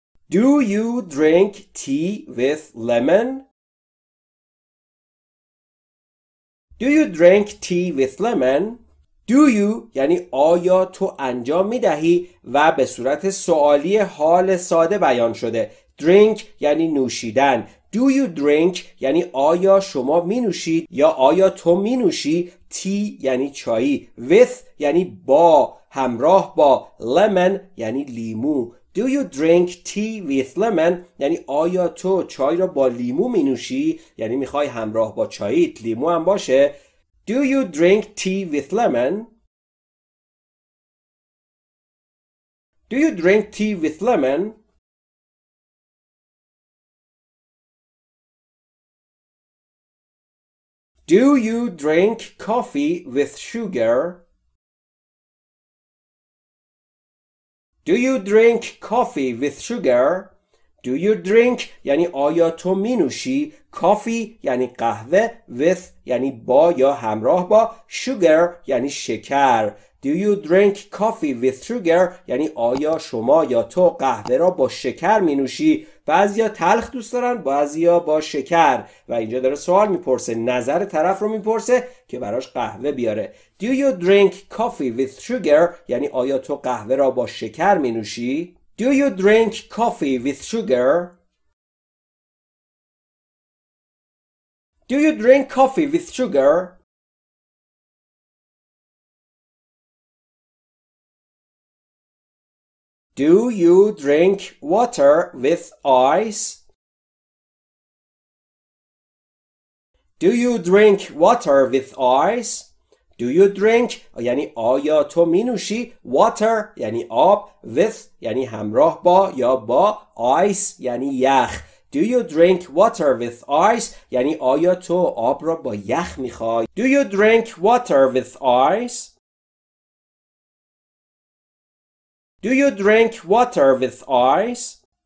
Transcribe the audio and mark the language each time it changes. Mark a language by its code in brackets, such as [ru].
[en] Do you drink tea with lemon? Do you drink tea with lemon? Do you [fa] یعنی آیا تو انجام میدهی و به صورت سوالی حال ساده بیان شده. Drink یعنی نوشیدن. [en] Do you drink [fa] یعنی آیا شما می نوشید یا آیا تو می نوشی tea یعنی چایی. With یعنی با همراه با lemon یعنی لیمو. [en] Do you drink tea with lemon؟ [fa] یعنی آیا تو چای را با لیمو می نوشی؟ یعنی می خواهی همراه با چاییت لیمو هم باشه؟ Do you drink tea with lemon؟ [en] Do you drink tea with lemon؟ Do you drink coffee with sugar؟ Do you drink coffee with sugar? Do you drink [fa] یعنی آیا تو می نوشی coffee یعنی قهوه with یعنی با یا همراه با sugar یعنی شکر. [en] Do you drink coffee with sugar [fa] یعنی آیا شما یا تو قهوه را با شکر می نوشی؟ بعضیا تلخ دوست دارن بعضیا با شکر و اینجا داره سوال میپرسه نظر طرف رو میپرسه که براش قهوه بیاره [en] Do you drink coffee with sugar [fa] یعنی آیا تو قهوه را با شکر می نوشی؟ [en] Do you drink coffee with sugar Do you drink coffee with sugar Do you drink water with ice? Do you drink water with ice? Do you drink [fa] یعنی آیا تو می نوشی water یعنی آب with یعنی همراه با یا با ice یعنی یخ [en] Do you drink water with ice? [fa] یعنی آیا تو آب را با یخ میخوای؟ [en] Do you drink water with ice? Do you drink water with ice?